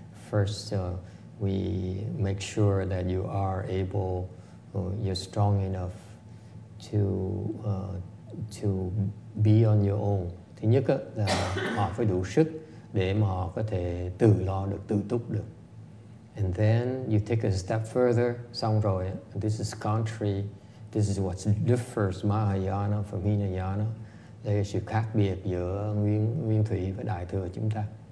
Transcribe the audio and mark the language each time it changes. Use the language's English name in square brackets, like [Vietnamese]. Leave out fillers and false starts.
[English] First, we make sure that you are able, you're strong enough to be on your own. [Vietnamese] Thứ nhất là họ phải đủ sức để mà họ có thể tự lo được, tự túc được. [English] And then you take a step further, [Vietnamese] xong rồi, [English] this is contrary, this is what differs Mahayana from Hinayana. [Vietnamese] Đây là sự khác biệt giữa Nguyên Thủy và Đại Thừa chúng ta.